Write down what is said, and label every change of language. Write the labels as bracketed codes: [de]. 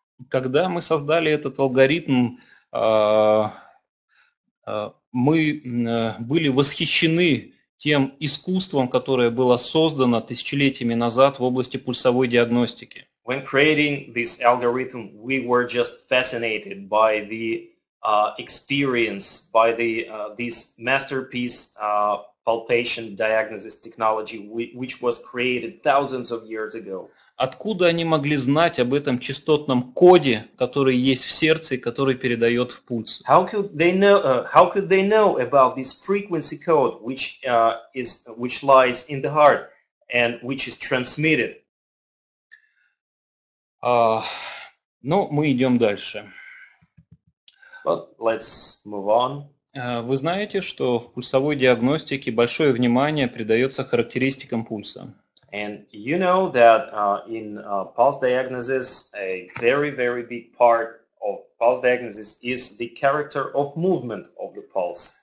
[ru] Когда мы создали этот алгоритм, мы были восхищены тем искусством, которое было создано тысячелетиями назад в области пульсовой диагностики. [en] When creating this algorithm, we were just fascinated by the experience by the this masterpiece palpation diagnosis technology, which was created thousands of years ago. [ru] Откуда они могли знать об этом частотном коде, который есть в сердце и который передает в пульс? [en] How could they know about this frequency code, which lies in the heart and which is transmitted? [ru] Ну, мы идем дальше. [en] But let's move on. [ru] Вы знаете, что в пульсовой диагностике большое внимание придается характеристикам пульса. [en] And you know that in pulse diagnosis, a very, very big part of pulse diagnosis is the character of movement of the pulse.